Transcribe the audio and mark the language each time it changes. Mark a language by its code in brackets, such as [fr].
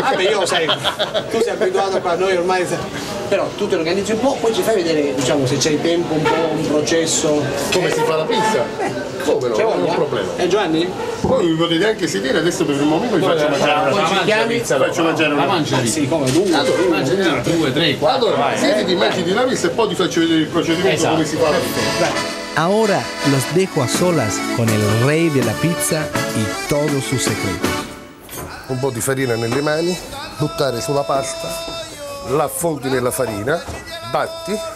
[it] Vabbè, io sai, tu sei abituato qua, noi ormai. Però tu ti organizzi un po', poi ci fai vedere, diciamo, se c'hai tempo, un po', un processo. Come si fa la pizza? Come no? Non è un problema. Giovanni? Poi mi potete anche sentire, adesso per un momento vi faccio mangiare la pizza. Poi ci chiami, faccio mangiare una pizza. Sì, come? Due? Allora, mangiare una, due, tre, quattro. Allora, siediti, mangiati la pizza e poi ti faccio vedere il procedimento, esatto. Come si fa la pizza. [es] Ahora los dejo a solas con el rey de la pizza y todos sus secretos. [it] Un po' di farina nelle mani, buttare sulla pasta, la affondi nella farina, batti.